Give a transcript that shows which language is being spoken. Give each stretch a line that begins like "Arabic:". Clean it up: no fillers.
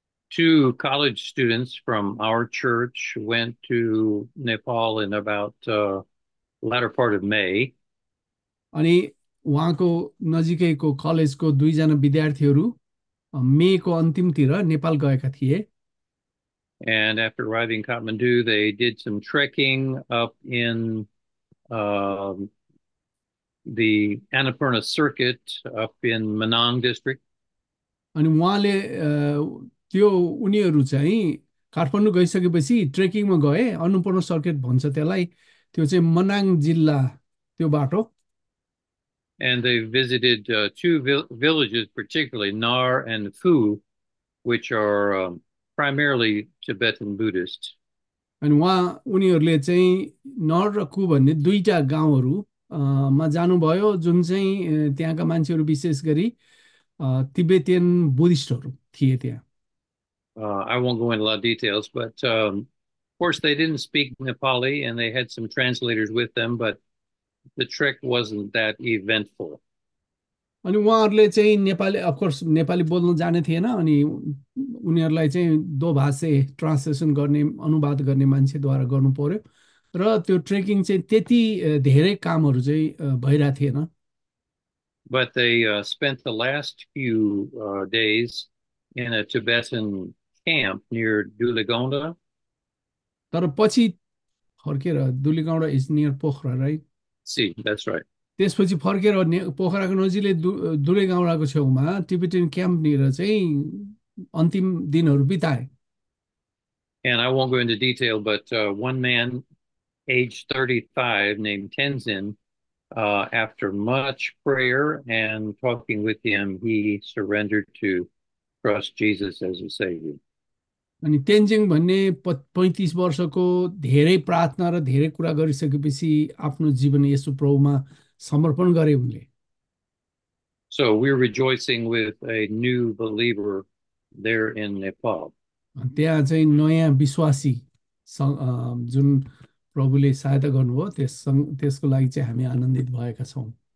English: Two college students from our church went to Nepal in about latter part of May.
Nepali: अनि उहाँको नजिकैको कलेजको दुईजना विद्यार्थीहरू मेको अन्तिमतिर नेपाल गएका थिए।
English: And after arriving in Kathmandu, they did some trekking up in the Annapurna Circuit up in Manang District.
Nepali: अनि उहाँले त्यो उनीहरू चाहिँ काठमाडौँ गइसकेपछि ट्रेकिङमा गए, अन्नपूर्ण सर्किट भन्छ त्यसलाई, त्यो चाहिँ मनाङ जिल्ला त्यो बाटो।
English: And they visited two villages, particularly Nar and Phu, which are primarily Tibetan Buddhist.
Nepali: अनि उहाँ उनीहरूले चाहिँ नर र कु भन्ने दुईटा गाउँहरू मा जानुभयो, जुन चाहिँ त्यहाँका मान्छेहरू विशेष गरी तिब्बेतियन बुद्धिस्टहरू थिए त्यहाँ।
English: I won't go into a lot of details, but of course, they didn't speak Nepali and they had some translators with them, but the trek wasn't that eventful.
Nepali: अनि उहाँहरूले चाहिँ नेपाली, अफकोर्स नेपाली बोल्न जाने थिएन, अनि उनीहरूलाई चाहिँ दो भाषे ट्रान्सलेसन गर्ने, अनुवाद गर्ने मान्छेद्वारा गर्नु पर्यो, र त्यो ट्रेकिङ चाहिँ त्यति धेरै कामहरू चाहिँ भइरहेको थिएन।
English: But they spent the last few days in a Tibetan camp near Duligonda.
Nepali: तर पछि फर्केर, दुलीगाउँडा
English: Is near Pokhara, right? See, that's right.
Nepali: त्यसपछि फर्केर पोखराको नजिकै दुलेगाउँडाको छेउमा टिबेटियन क्याम्पनिर चाहिँ अन्तिम दिनहरू बिताए।
English: And I won't go into detail, but one man, age 35, named Tenzin, after much prayer and talking with him, he surrendered to trust Jesus as his savior.
Nepali: अनि तेन्जिङ भन्ने 35 वर्षको धेरै प्रार्थना र धेरै कुरा गरिसकेपछि आफ्नो जीवन येशु प्रभुमा समर्पण गरे उनले।
English: So we're rejoicing with a new believer there in Nepal.
Nepali: त्यहाँ चाहिँ नयाँ विश्वासी जुन प्रभुले सहायता गर्नुभयो, त्यसको लागि चाहिँ हामी आनन्दित भएका छौँ।